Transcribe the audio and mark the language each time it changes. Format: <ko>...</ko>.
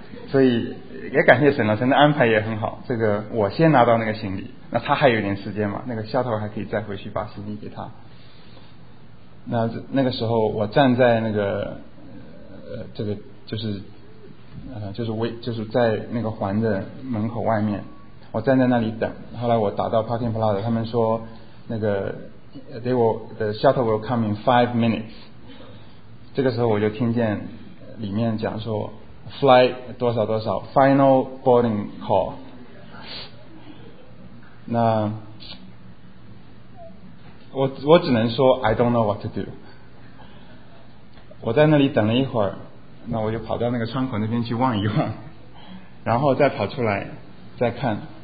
<zh>所以也感谢沈老师的安排也很好，这个我先拿到那个行李，那他还有点时间嘛，那个下头还可以再回去把行李给他。那个时候我站在那个在那个环的门口外面，我站在那里等。后来我打到 Parking Plaza， 他们说那个</zh> <en>the shuttle will come in 5 minutes。</en> <zh>这个时候我就听见里面讲说 flight 多少多少 final boarding call。那我只能说</zh> <en>I don't know what to do。</en> <zh>我在那里等了一会儿，那我就跑到那个窗口那边去望一望，然后再跑出来再看。</zh>